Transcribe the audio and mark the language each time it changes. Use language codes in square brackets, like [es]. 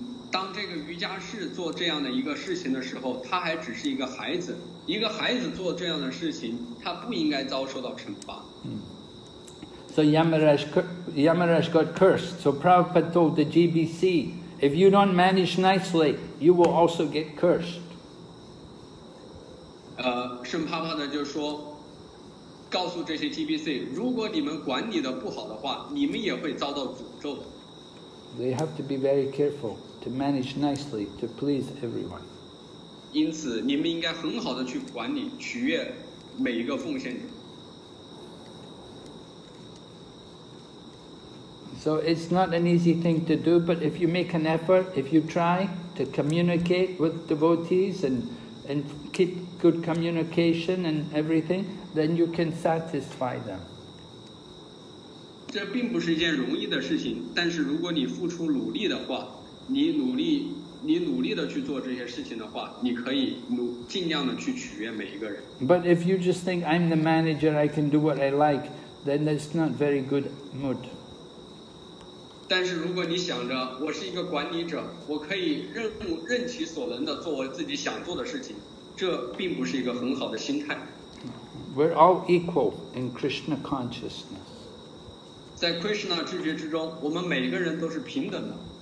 [zh] 当这个瑜伽士做这样的一个事情的时候，他还只是一个孩子。一个孩子做这样的事情，他不应该遭受到惩罚。 [en] So Yamaraj got cursed. So Prabhupada told the GBC, if you don't manage nicely, you will also get cursed. [zh] 圣帕帕的就说，告诉这些 GBC， 如果你们管理的不好的话，你们也会遭到诅咒。 [en] They have to be very careful to manage nicely to please everyone. [zh] 因此，你们应该很好的去管理，取悦每一个奉献者。 [en] So it's not an easy thing to do, but if you make an effort, if you try to communicate with devotees and keep good communication and everything, then you can satisfy them. [zh] 这并不是一件容易的事情，但是如果你付出努力的话，你努力的去做这些事情的话，你可以尽量的去取悦每一个人。 [en] But if you just think I'm the manager, I can do what I like, then that's not very good mood. [zh] 但是如果你想着我是一个管理者，我可以任其所能的做我自己想做的事情，这并不是一个很好的心态。 [en] We're all equal in Krishna consciousness. [zh] 在 Krishna 智觉之中，我们每个人都是平等的。